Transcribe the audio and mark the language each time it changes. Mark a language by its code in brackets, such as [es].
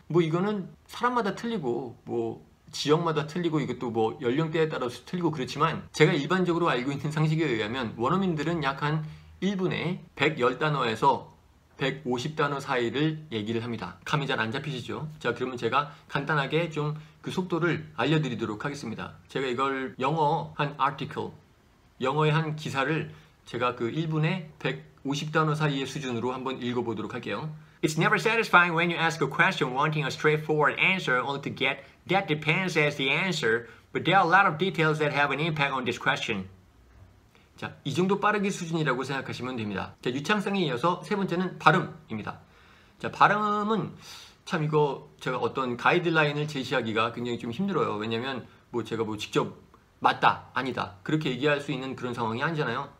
[ko] 뭐 이거는 사람마다 틀리고 뭐 지역마다 틀리고 이것도 뭐 연령대에 따라서 틀리고 그렇지만 제가 일반적으로 알고 있는 상식에 의하면 원어민들은 약한 1분에 110단어에서 150단어 사이를 얘기를 합니다. 감이 잘안 잡히시죠? 자, 그러면 제가 간단하게 좀그 속도를 알려드리도록 하겠습니다. 제가 이걸 영어 한 article, 영어의 한 기사를 제가 그 1분에 150단어 사이의 수준으로 한번 읽어보도록 할게요. [en] It's never satisfying when you ask a question wanting a straightforward answer only to get that depends as the answer, but there are a lot of details that have an impact on this question. [ko] 자, 이 정도 빠르기 수준이라고 생각하시면 됩니다. 자, 유창성에 이어서 세 번째는 발음입니다. 자, 발음은 참 이거 제가 어떤 가이드라인을 제시하기가 굉장히 좀 힘들어요. 왜냐면 뭐 제가 뭐 직접 맞다, 아니다, 그렇게 얘기할 수 있는 그런 상황이 아니잖아요.